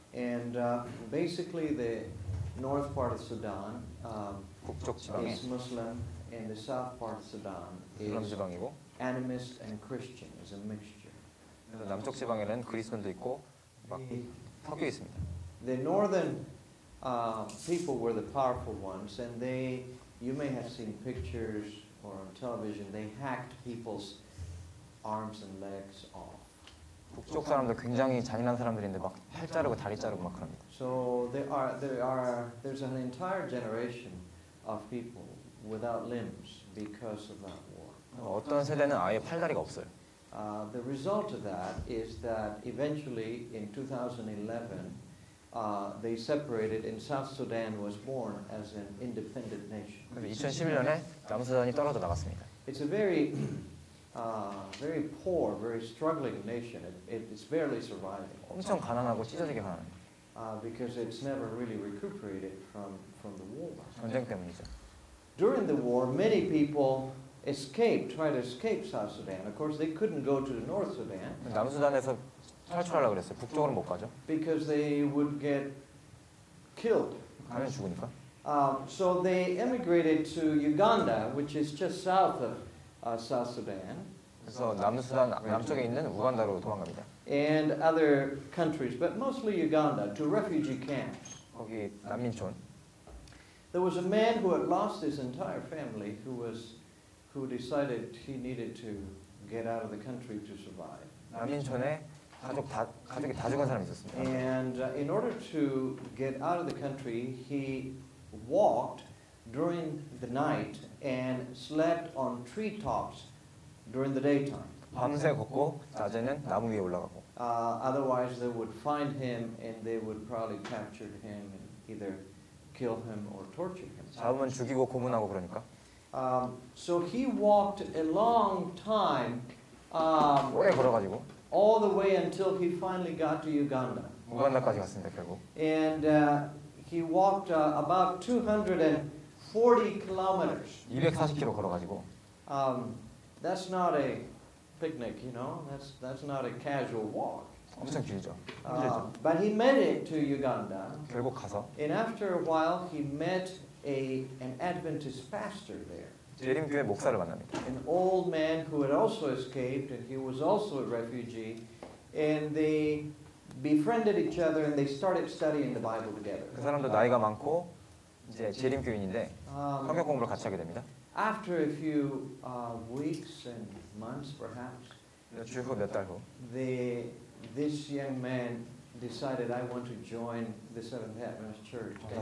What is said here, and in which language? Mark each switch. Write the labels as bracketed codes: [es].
[en] And basically the north part of Sudan [ko] 북쪽 지방에 [en] is Muslim and the south part of Sudan is [ko] 지방이고, [en] animist and Christian is a mixture. [ko] 남쪽 지방에는 그리스도인도 있고 막 섞여 있습니다. [en] The northern people were the powerful ones and they You may have seen pictures or on television. They hacked people's arms and legs off. [ko] 북쪽 사람들 굉장히 잔인한 사람들인데 막 팔 자르고 다리 자르고 막 그럽니다. [en] So there are there's an entire generation of people without limbs because of that war. [ko] 어떤 세대는 아예 팔다리가 없어요. [en] The result of that is that eventually in 2011. They separated and South Sudan was born as an independent nation. [ko] 2011년에 남수단이 떨어져 나갔습니다. [en] It's a very very poor, very struggling nation. It's barely surviving. [ko] 엄청 가난하고 찢어지게 가난. [en] Because it's never really recuperated from the war. [ko] 전쟁 때문이죠. [en] During the war, many people escaped, tried to escape South Sudan. Of course, they couldn't go to the North Sudan. [ko] 남수단에서 탈출하려고 그랬어요. 북쪽으로 못 가죠. [en] Because they would get killed. [ko] 가면 죽으니까. [en] So they emigrated to Uganda, which is just south of South Sudan. [ko] 그래서 남수단 남쪽에 있는 우간다로 도망갑니다. [en] And other countries, but mostly Uganda, to refugee camps. [ko] 거기 난민촌. [en] There was a man who had lost his entire family, who decided he needed to get out of the country to survive. [ko] 난민촌에 가족이 다 죽은 사람이 있었습니다. [en] And in order to get out of the country, he walked during the night and slept on treetops during the daytime. [ko] 밤새 걷고 낮에는 나무 위에 올라가고. [en] Otherwise, they would find him and they would probably capture him and either kill him or torture him. [ko] 사울은 죽이고 고문하고 그러니까. [en] So he walked a long time. [ko] 오래 걸어가지고. [en] All the way until he finally got to Uganda. [ko] 우간다까지 갔습니다, 결국. [en] And he walked about 240 kilometers. [ko] 240km 걸어가지고. [en] That's not a picnic, you know. That's not a casual walk. [ko] 엄청 길죠. [en] But he made it to Uganda. [ko] 결국 가서. [en] And after a while, he met an Adventist pastor there. [ko] 재림교회 목사를 만납니다. [en] An old man who had also escaped, and he was also a refugee, and they befriended each other, and they started studying the Bible together. [ko] 그 사람도 나이가 많고 이제 재림교인인데 성경 공부를 같이 하게 됩니다. [en] After a few weeks and months, perhaps. [ko] 며칠 후, 몇 달 후. [en] This young man decided, I want to join the Seventh Adventist Church.